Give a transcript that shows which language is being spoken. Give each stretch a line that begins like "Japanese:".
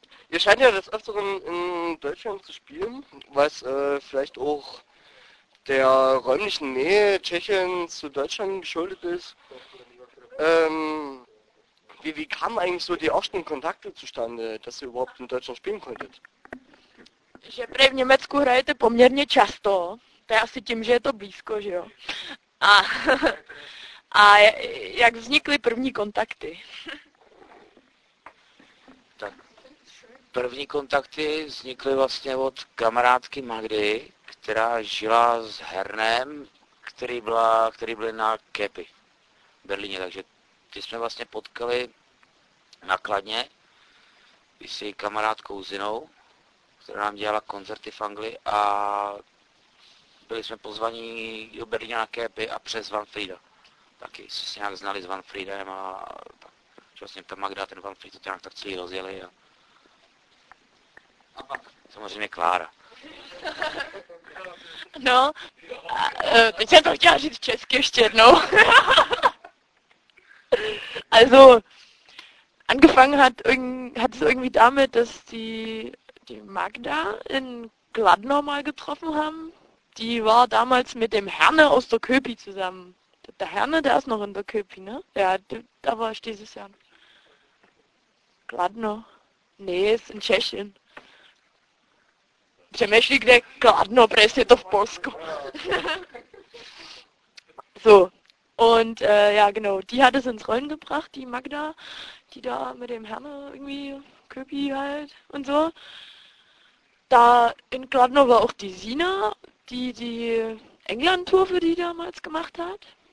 German: ihr scheint ja des Öfteren in Deutschland zu spielen, was vielleicht auch der räumlichen Nähe Tschechiens zu Deutschland geschuldet ist. Wie kamen eigentlich so die ersten Kontakte zustande, dass ihr überhaupt in Deutschland spielen konntet?
Czech: Že prej v Německu hrajete poměrně často, to je asi tím, že je to blízko, že jo. A jak vznikly první kontakty? První kontakty vznikly vlastně od kamarádky Magdy, která žila s Hernem, který byl na Kepi v Berlíně. Takže ty jsme vlastně potkali na Kladně i s její kamarádkou Zinou, která nám dělala koncerty v Anglii, a byli jsme pozvaní do Berlína na Kepi a přes Van Frieda. Taky jsme se nějak znali s Van Friedem a vlastně ta Magda a ten Van Fried to nějak tak celý rozjeli. A pak samozřejmě Klára. No, teď jsem to chtěla říct česky ještě jednou.
German: Also, angefangen hat es irgendwie damit, dass die Magda in Kladno mal getroffen haben. Die war damals mit dem Herne aus der Köpi zusammen. Der Herne, der ist noch in der Köpi, ne? Ja, da war ich dieses Jahr. Kladno. Nee, ist in Tschechien.
Czech: Přemýšlí, kde je Kladno, protože je to v Polsku.
German: So, und ja, genau, die hat es ins Rollen gebracht, die Magda, die da mit dem Herne irgendwie, Köpi halt und so. Da in Kladno war auch die Sina, die England-Tour für die damals gemacht hat.